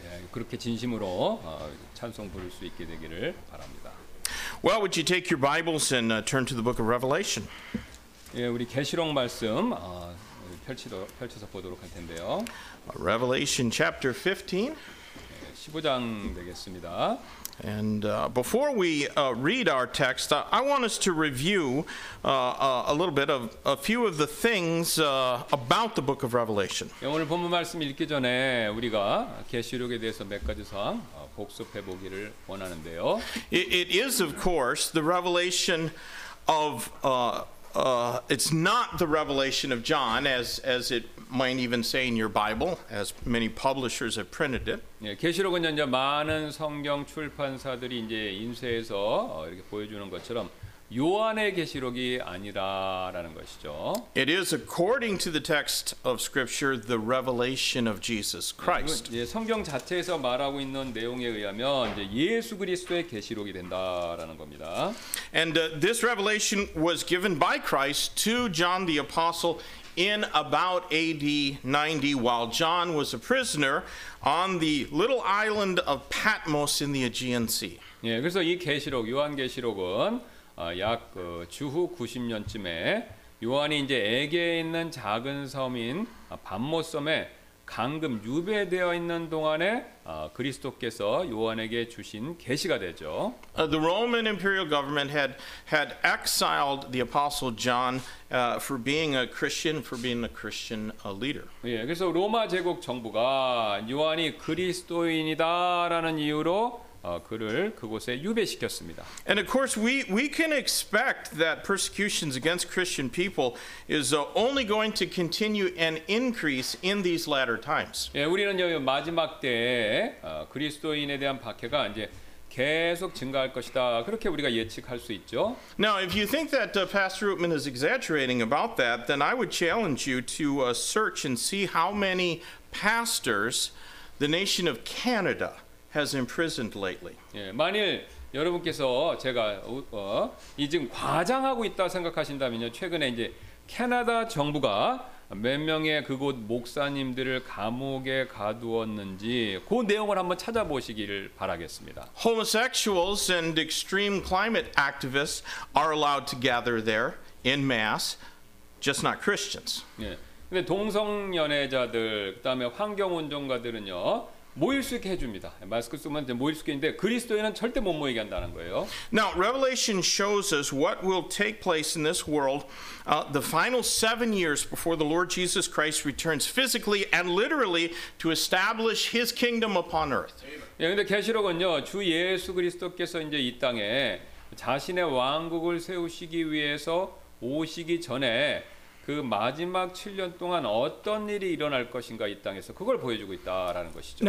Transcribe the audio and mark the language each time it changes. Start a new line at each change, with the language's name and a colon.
Korean: 그렇게 진심으로 찬송 부를 수 있게 되기를 바랍니다.
English: Well, would you take your Bibles and turn to the book of Revelation?
Korean: 예, 우리 계시록 말씀 펼쳐서 보도록 할 텐데요.
English: Revelation chapter 15.
Korean: 15장 되겠습니다.
English: And before we read our text, I want us to review a little bit of a few of the things about the book of Revelation.
Korean: 오늘 본문 말씀 읽기 전에 우리가 계시록에 대해서 몇 가지 사항 복습해 보기를 원하는데요.
English: It is, of course, the revelation of it's not the revelation of John, as it might even say in your Bible, as many publishers have printed it.
Korean: 예, 계시록은 이제 많은 성경 출판사들이 이제 인쇄해서 이렇게 보여주는 것처럼 요한의 계시록이 아니라라는 것이죠.
English: It is according to the text of Scripture, the revelation of Jesus Christ.
Korean: 예, 성경 자체에서 말하고 있는 내용에 의하면 이제 예수 그리스도의 계시록이 된다라는 겁니다.
English: And this revelation was given by Christ to John the Apostle in about AD 90, while John was a prisoner on the little island of Patmos in the Aegean Sea.
Korean: 예, 그래서 이 계시록, 요한 계시록은 약 주후 90년쯤에 요한이 이제 에게에 있는 작은 섬인 반모섬에 감금 유배되어 있는 동안에 그리스도께서 요한에게 주신 계시가 되죠.
English: The Roman imperial government had exiled the apostle John for being a Christian, for being a Christian leader.
Korean: 예, 그래서 로마 제국 정부가 요한이 그리스도인이다라는 이유로 그를 그곳에 유배시켰습니다.
English: And of course, we can expect that persecutions against Christian people is only going to continue and increase in these latter times.
Korean: 예, 우리는 이제 마지막 때에 그리스도인에 대한 박해가 이제 계속 증가할 것이다. 그렇게 우리가 예측할 수 있죠.
English: Now, if you think that Pastor Rootman is exaggerating about that, then I would challenge you to search and see how many pastors the nation of Canada has imprisoned lately.
Korean: 예, 만일 여러분께서 제가 이 지금 과장하고 있다 생각하신다면요, 최근에 이제 캐나다 정부가 몇 명의 그곳 목사님들을 감옥에 가두었는지 그 내용을 한번 찾아보시기를 바라겠습니다.
English: Homosexuals and extreme climate activists are allowed to gather there in mass, just not Christians.
Korean: 예, 근데 동성 연애자들, 그다음에 환경 운동가들은요. 모일 수 있게 해줍니다. 마스크 쓰면 이제 모일 수 있는데 그리스도인은 절대 못 모이게 한다는 거예요.
English: Now Revelation shows us what will take place in this world, the final 7 years before the Lord Jesus Christ returns physically and literally to establish His kingdom upon earth.
Korean: 예, 근데 계시록은요, 주 예수 그리스도께서 이제 이 땅에 자신의 왕국을 세우시기 위해서 오시기 전에 그 마지막 7년 동안 어떤 일이 일어날 것인가 이 땅에서 그걸 보여주고 있다라는 것이죠.